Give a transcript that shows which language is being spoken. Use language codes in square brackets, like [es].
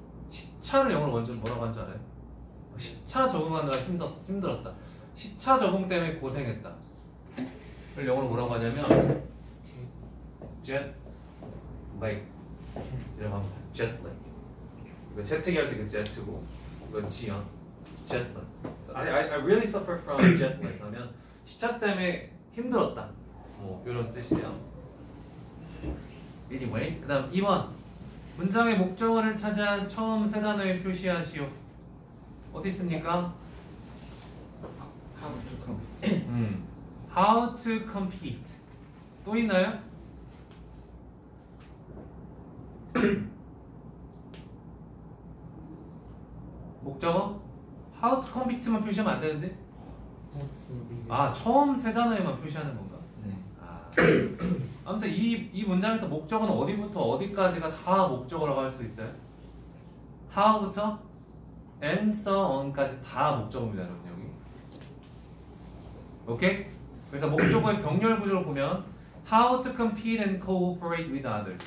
[ko] 시차를 영어로 먼저 뭐라고 하는 줄 알아요? 시차 적응하느라 힘들었다. 시차 적응 때문에 고생했다. 그걸 영어로 뭐라고 하냐면 jet lag. 이런 말. jet lag. 이거 채팅이 할 때 그 jet고 이거 지연. [en] jet lag. So I really suffer from jet lag. [ko] 그러면 시차 때문에 힘들었다. 뭐 이런 뜻이에요. Anyway, 그 다음 2번. 문장의 목적어를 찾아 처음 세 단어에 표시하시오. 어디 있습니까? [en] How to compete. How to compete. [ko] 또 있나요? 목적어? [en] How to compete [ko] 만 표시하면 안 되는데? 아, 처음 세 단어에만 표시하는 건가? 네. 아. 아무튼 이 문장에서 목적어는 어디부터 어디까지가 다 목적어라고 할 수 있어요? How부터 and so on까지 다 목적어입니다, 여러분, 여기. 오케이? 그래서 목적어의 병렬 구조를 보면 [en] How to compete and cooperate with others.